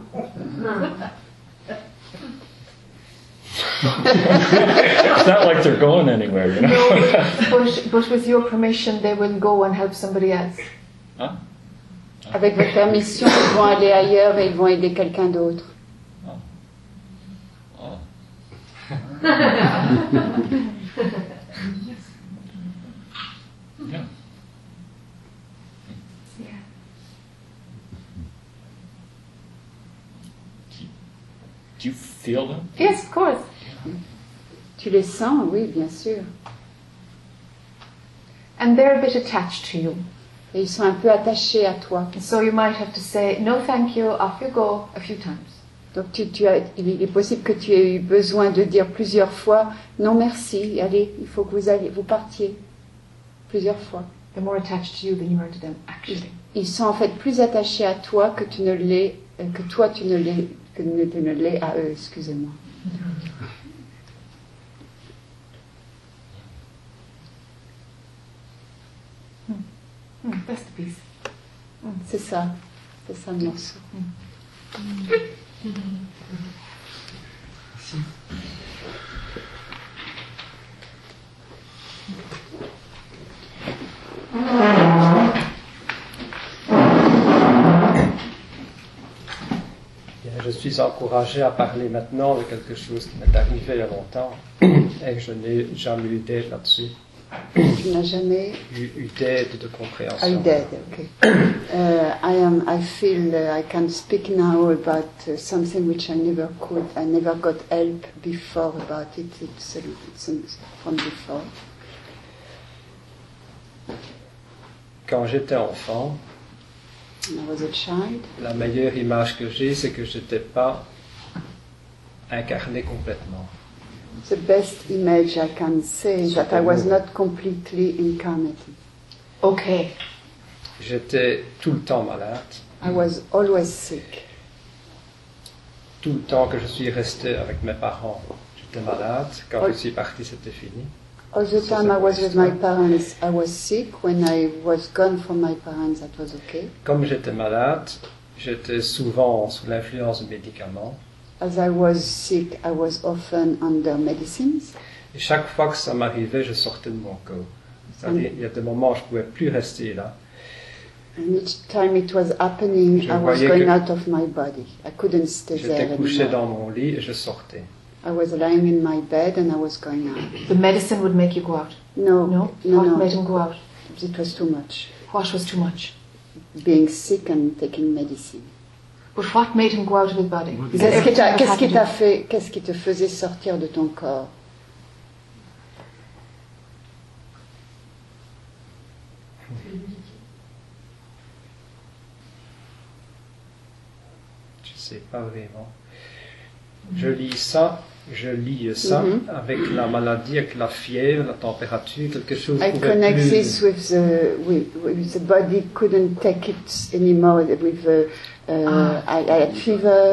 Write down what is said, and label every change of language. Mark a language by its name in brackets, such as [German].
[English] It's not like they're going anywhere, you know. No, but with your permission, they will go and help somebody else. Huh? [French] Avec votre permission, ils vont aller ailleurs et ils vont aider quelqu'un d'autre. [English] Do you feel them? Yes, of course. [French] Tu les sens, oui, bien sûr. [English] And they're a bit attached to you. [French] Et ils sont un peu attachés à toi. [English] So you might have to say, no thank you, off you go, a few times. [French] Donc il est possible que tu aies eu besoin de dire plusieurs fois, non merci, allez, il faut que vous partiez. Plusieurs fois. [English] They're more attached to you than you are to them, actually. [French] Ils sont en fait plus attachés à toi que tu ne l'es, que toi tu ne l'es. Que ne te l'ai à eux, excusez-moi. [English] That's the piece. [French] C'est ça. C'est ça le morceau. Merci. Je suis encouragé à parler maintenant de quelque chose qui m'est arrivé il y a longtemps et je n'ai jamais eu d'aide là-dessus. Tu n'as jamais eu d'aide de compréhension. Eu d'aide, ok. [English] I feel I can speak now about something which I never got help before about it. It's from before. [French] Quand j'étais enfant. [English] When I was a child. [French] La meilleure image que j'ai, c'est que je n'étais pas incarné complètement. [English] The best image I can say is that I was not completely incarnated. Okay. [French] J'étais tout le temps malade. [English] I was always sick. [French] Tout le temps que je suis resté avec mes parents, j'étais malade. Quand je suis parti, c'était fini. [English] All the time I was with my parents, I was sick. When I was gone from my parents, that was okay. [French] Comme j'étais malade, j'étais souvent sous l'influence de médicaments. [English] As I was sick, I was often under medicines. [French] Et chaque fois que ça m'arrivait, je sortais de mon corps. Il y a des moments où je ne pouvais plus rester là. [English] And each time it was happening, I was going out of my body. I couldn't stay there anymore. J'étais couché dans mon lit et je sortais. I was lying in my bed and I was going out. The medicine would make you go out? No. What made him go out? It was too much. What was too much? Being sick and taking medicine. But what made him go out of his body? [French] Qu'est-ce qui te faisait sortir de ton corps? Je sais pas vraiment. Je lis ça. Je lis ça avec la maladie, avec la fièvre, la température, quelque chose. [English] I connect this with the with the body couldn't take it anymore with the I had fever.